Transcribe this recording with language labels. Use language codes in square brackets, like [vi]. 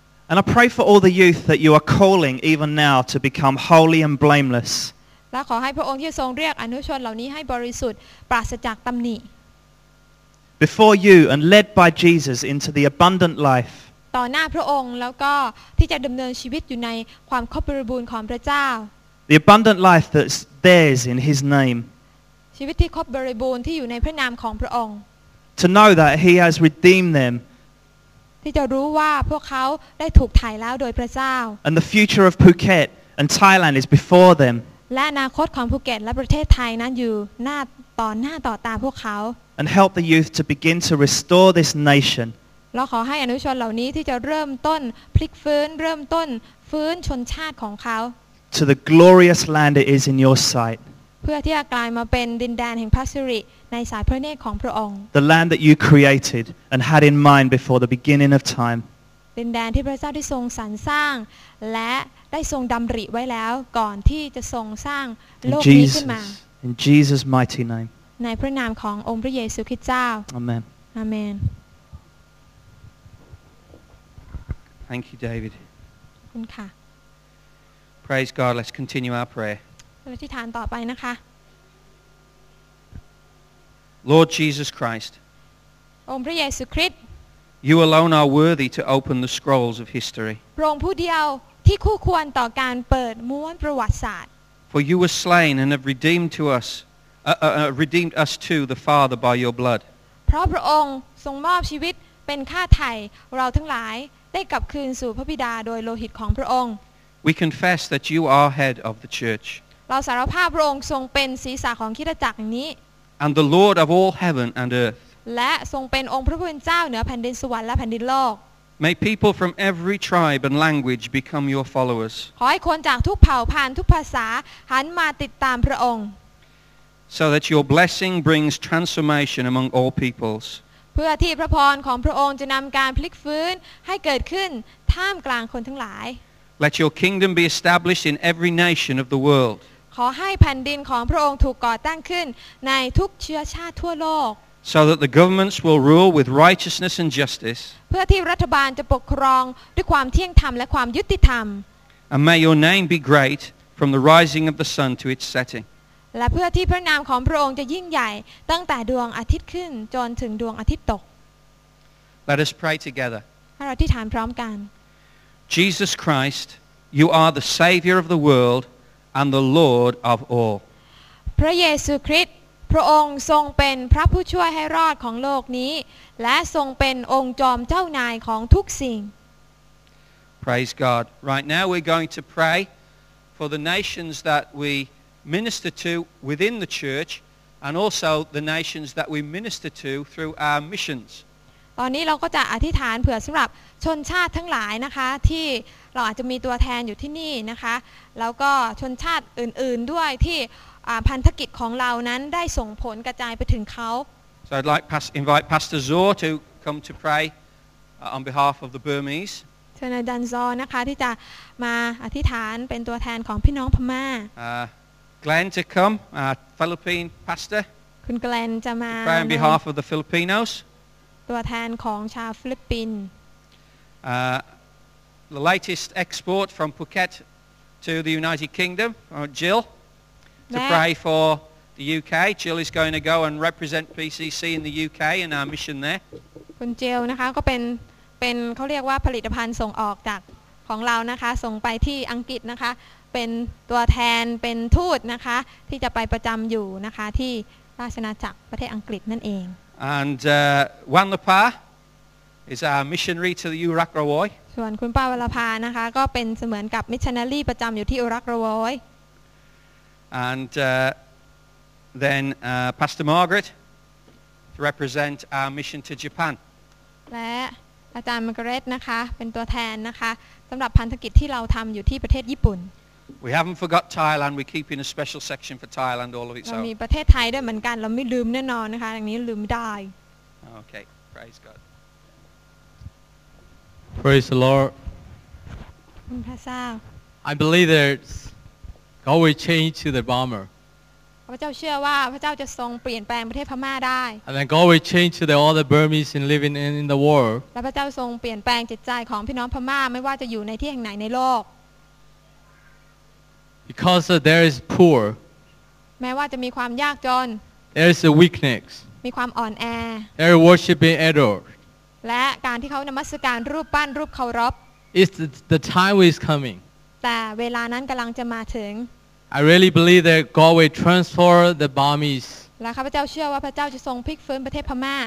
[en] And I pray for all the youth that you are calling even now to become holy and blameless [th] และขอให้พระองค์ที่ทรงเรียกอนุชนเหล่านี้ให้บริสุทธิ์ปราศจากตำหนิ [en] Before you and led by Jesus into the abundant life [th] ต่อหน้าพระองค์แล้วก็ที่จะดำเนินชีวิตอยู่ในความครอบบริบูรณ์ของพระเจ้า [en] The abundant life that's theirs in His name [th] ชีวิตที่ครอบบริบูรณ์ที่อยู่ในพระนามของพระองค์ [en] To know that He has redeemed them [th] ที่จะรู้ว่าพวกเขาได้ถูกไถ่แล้วโดยพระเจ้า [en] And the future of Phuket and Thailand is before them [th] และอนาคตของภูเก็ตและประเทศไทยนั้นอยู่หน้าต่อหน้าต่อตาพวกเขา [en] And help the youth to begin to restore this nation [th] เราขอให้อนุชนเหล่านี้ที่จะเริ่มต้นพลิกฟื้นเริ่มต้นฟื้นชนชาติของเขา [en] To the glorious land it is in your sight [th] เพื่อที่จะกลายมาเป็นดินแดนแห่งพระสิริในสายพระเนตรของพระองค์ [en] The land that you created and had in mind before the beginning of time [th] ดินแดนที่พระเจ้าได้ทรงสรรสร้างและได้ทรงดำริไว้แล้วก่อนที่จะทรงสร้างโลกนี้ขึ้นมา [en] In Jesus mighty name [th] ในพระนามขององค์พระเยซูคริสต์เจ้า [en] Amen Amen Thank you David [th] คุณค่ะ [en] Praise God let's continue our prayer [th] เราอธิษฐานต่อไปนะคะ [en] Lord Jesus Christ [th] องค์พระเยซูคริสต์ [en] You alone are worthy to open the scrolls of history. [th] พระองค์ผู้เดียวที่คู่ควรต่อการเปิดม้วนประวัติศาสตร์ [en] For you were slain and have redeemed to us, redeemed us to the Father by your blood. [th] เพราะพระองค์ทรงมอบชีวิตเป็นค่าไถ่เราทั้งหลายได้กลับคืนสู่พระบิดาโดยโลหิตของพระองค์ [en] We confess that you are head of the church. [th] เราสารภาพพระองค์ทรงเป็นศีรษะของคริสตจักรนี้ [en] And the Lord of all heaven and earth. [th] และทรงเป็นองค์พระผู้เป็นเจ้าเหนือแผ่นดินสวรรค์และแผ่นดินโลก [en] May people from every tribe and language become your followers [th] ขอให้คนจากทุกเผ่าพันธุ์ทุกภาษาหันมาติดตามพระองค์ [en] So that your blessing brings transformation among all peoples [th] เพื่อที่พระพรของพระองค์จะนำการพลิกฟื้นให้เกิดขึ้นท่ามกลางคนทั้งหลาย [en] Let your kingdom be established in every nation of the world [th] ขอให้แผ่นดินของพระองค์ถูกก่อตั้งขึ้นในทุกเชื้อชาติทั่วโลก [en] So that the governments will rule with righteousness and justice. [th] เพื่อที่รัฐบาลจะปกครองด้วยความเที่ยงธรรมและความยุติธรรม [en] And may your name be great from the rising of the sun to its setting. [th] และเพื่อที่พระนามของพระองค์จะยิ่งใหญ่ตั้งแต่ดวงอาทิตย์ขึ้นจนถึงดวงอาทิตย์ตก [en] Let us pray together. [th] ให้เราอธิษฐานพร้อมกัน [en] Jesus Christ, you are the Savior of the world and the Lord of all. [th] พระเยซูคริสต์พระองค์ทรงเป็นพระผู้ช่วยให้รอดของโลกนี้และทรงเป็นองค์จอมเจ้านายของทุกสิ่ง [en] Praise God. Right now we're going to pray for the nations that we minister to within the church and also the nations that we minister to through our missions. [th] ตอนนี้เราก็จะอธิษฐานเผื่อสำหรับชนชาติทั้งหลายนะคะที่เราอาจจะมีตัวแทนอยู่ที่นี่นะคะแล้วก็ชนชาติอื่นๆด้วยที่พันธกิจของเรานั้นได้ส่งผลกระจายไปถึงเขา [en] So I'd like to invite Pastor Zor to come to pray on behalf of the Burmese. [th] เชิญอาจารย์ Zor นะคะที่จะมาอธิษฐานเป็นตัวแทนของพี่น้องพม่า [en] Glenn to come, Philippine pastor. [th] คุณ Glenn จะมา [en] pray on behalf of the Filipinos. [th] ตัวแทนของชาวฟิลิปปินส์ [en] the latest export from Phuket to the United Kingdom, Jill. To pray for the UK, Jill is going to go and represent PCC in the UK in our mission there. [th] คุณเจลนะคะก็เป็นเขาเรียกว่าผลิตภัณฑ์ส่งออกจากของเรานะคะส่งไปที่อังกฤษนะคะเป็นตัวแทนเป็นทูตนะคะที่จะไปประจำอยู่นะคะที่ราชอาณาจักรประเทศอังกฤษนั่นเอง [en] And Wanlapa is our missionary to the Urakrawoy. [th] ส่วนคุณป้าวัลภานะคะก็เป็นเสมือนกับมิชชันนารีประจำอยู่ที่อุรักระวอย [en] And then Pastor Margaret to represent our mission to Japan. [th] และอาจารย์มาร์กาเร็ตนะคะเป็นตัวแทนนะคะสำหรับพันธกิจที่เราทำอยู่ที่ประเทศญี่ปุ่น [en] We haven't forgot Thailand. We keep in a special section for Thailand all of its own. [th] เรามีประเทศไทยด้วยเหมือนกันเราไม่ลืมแน่นอนนะคะอย่างนี้ลืมไม่ได้ [en] Okay, praise God. Praise the Lord. I believe that God will change to the Burma. [th] พระเจ้าเชื่อว่าพระเจ้าจะทรงเปลี่ยนแปลงประเทศพม่าได้ [en] And then God will change to the all the Burmese in living in the world. [th] และพระเจ้าทรงเปลี่ยนแปลงจิตใจของพี่น้องพม่าไม่ว่าจะอยู่ในที่แห่งไหนในโลก [en] Because there is poor. [th] แม้ว่าจะมีความยากจน [en] There is a weakness. [th] มีความอ่อนแอ [en] They are worshiping idols. [th] และการที่เขานมัสการรูปปั้นรูปเคารพ [en] It's the time is coming. [th] แต่เวลานั้นกำลังจะมาถึง [en] I really believe that God will transfer the Burmese. [th] และข้าพเจ้าเชื่อว่าพระเจ้าจะทรงพลิกฟื้นประเทศพม่า